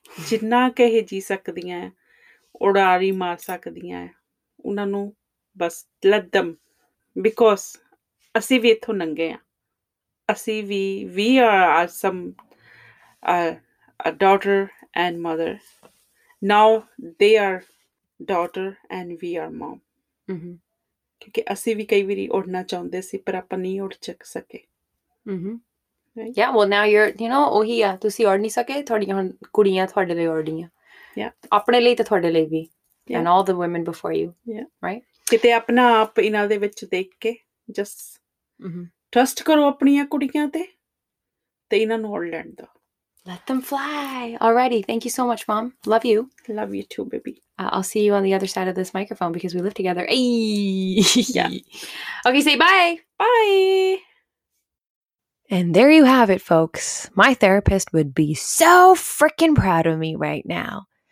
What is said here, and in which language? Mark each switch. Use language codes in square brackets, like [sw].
[pa] Jinna ke eh ji sakdiyan udari maar sakdiyan unna nu bas [en] let them, because [pa] assi vi itthon nange aa. Assi vi, [en] we are some a daughter and mother. Now they are daughter and we are mom. Mm-hmm. [pa] ਕਿਉਂਕਿ ਅਸੀਂ ਵੀ ਕਈ ਵਾਰੀ ਉੜਨਾ ਚਾਹੁੰਦੇ ਸੀ ਪਰ ਆਪਾਂ ਨਹੀਂ ਉੜ ਚੱਕ ਸਕੇ. [en] Yeah, well now you're, you know, [pa] ਉਹੀ ਆ, ਤੁਸੀਂ ਉੜ ਨਹੀਂ ਸਕੇ, ਤੁਹਾਡੀਆਂ ਹੁਣ ਕੁੜੀਆਂ ਤੁਹਾਡੇ ਲਈ ਉੜਦੀਆਂ. [en] Yeah. [pa] ਆਪਣੇ ਲਈ ਤਾਂ ਤੁਹਾਡੇ ਲਈ ਵੀ. [en] Yeah. And all the women before you. Yeah. Right? [pa] ਕਿਤੇ ਆਪਣਾ ਆਪ ਇਹਨਾਂ ਦੇ ਵਿੱਚ ਦੇਖ ਕੇ [en] just trust [pa] ਕਰੋ ਆਪਣੀਆਂ ਕੁੜੀਆਂ ਤੇ ਇਹਨਾਂ ਨੂੰ ਉੜ ਲੈਣ ਦਿਓ. [en] Let them fly. Alrighty. Thank you so much, Mom. Love you. Love you too, baby. I'll see you on the other side of this microphone because we live together. Ayy. Yeah. Okay, say bye. Bye. And there you have it, folks. My therapist would be so freaking proud of me right now.